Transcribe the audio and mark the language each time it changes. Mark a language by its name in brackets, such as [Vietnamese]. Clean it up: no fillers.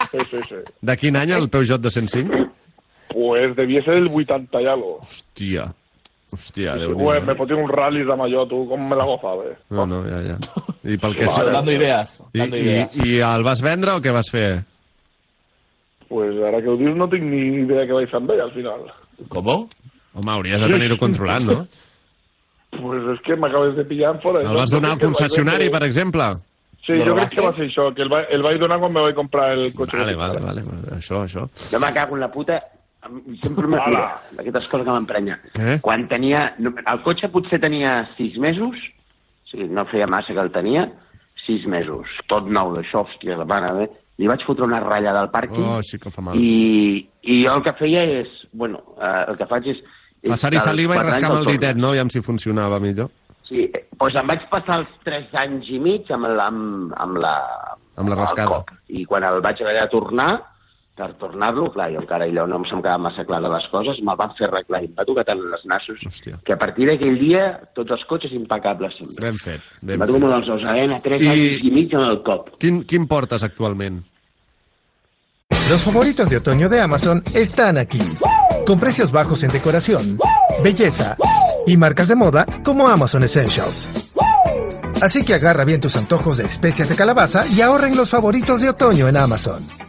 [Spanish] Sí. ¿De quién año el Peugeot 205? Pues debiese del 80 y algo. Hostia. Pues me fotí un rally de mayor, tú, ¿cómo me la gozabes? No, ya. Y para el que sea. Dando ideas. ¿Y [Catalan] al vas vendre [Spanish] o qué vas a hacer? [Catalan] Pues ara que ho dius no tinc ni idea que vaig fer amb ell, al final. [Spanish] ¿Cómo? [Catalan] Home, hauries de tenir-ho controlant, no? [Spanish] Pues es que [Catalan] m'acabes de pillar en fora. El vas donar al concessionari, per exemple? Sí, jo crec que va ser això, que el vaig donar quan me vaig comprar el cotxe. Vale, això. Jo me cago en la puta, sempre m'ha tirat aquestes coses que m'emprenya. Quan tenia... El cotxe potser tenia 6 mesos, o sigui, no feia massa que el tenia, 6 mesos, tot nou d'això, hòstia, la mare, eh? Li vaig fotre una ratlla del pàrquing. Oh, sí que fa mal. I jo el que feia és... Bueno, el que faig és... Passar-hi saliva i rascar amb el ditet, no? Aviam si funcionava millor. Sí, doncs em vaig passar els 3 anys i mig amb la rascada. I quan el vaig haver de tornar, per tornar-lo, clar, jo encara allò no em quedava massa clar de les coses, me'l van fer arreglar i em va tocar tant les nassos. Hòstia. Que a partir d'aquell dia, tots els cotxes impecables sempre. Ben fet. Em va tocar molt els ous a l'ena, 3 anys i mig en el cop. Quin portes actualment? [Spanish] Los favoritos de otoño de Amazon están aquí. Con precios bajos en decoración, belleza y marcas de moda como Amazon Essentials. Así que agarra bien tus antojos de especias de calabaza y ahorren los favoritos de otoño en Amazon.